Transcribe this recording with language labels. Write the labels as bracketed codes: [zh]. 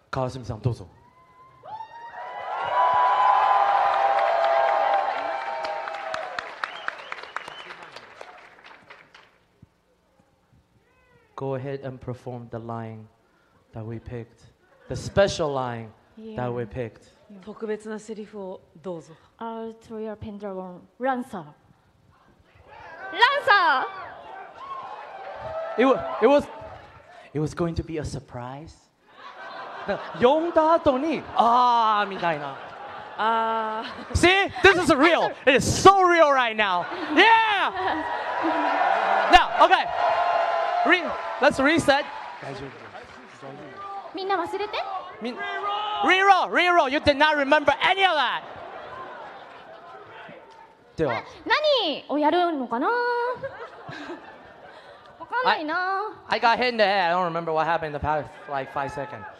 [ja] Kawasumi-san, dozo. [en] Go ahead and perform the line that we picked. The special line. Yeah. That we picked. Yeah. [ja] 特別なセリフをどうぞ。 [en] I'll throw your pendragon, Lancer. Lancer! It was going to be a surprise. [ja] 読んだ後に、ああみたいな。 [en] See? This is real. It is so real right now. Yeah! Now, okay. Let's reset. [ja] 大丈夫。みんな忘れて。 [en] Reroll, you did not remember any of that! [ja] では何をやるのかな わかんないな [en] I got hit in the head, I don't remember what happened in the past like 5 seconds.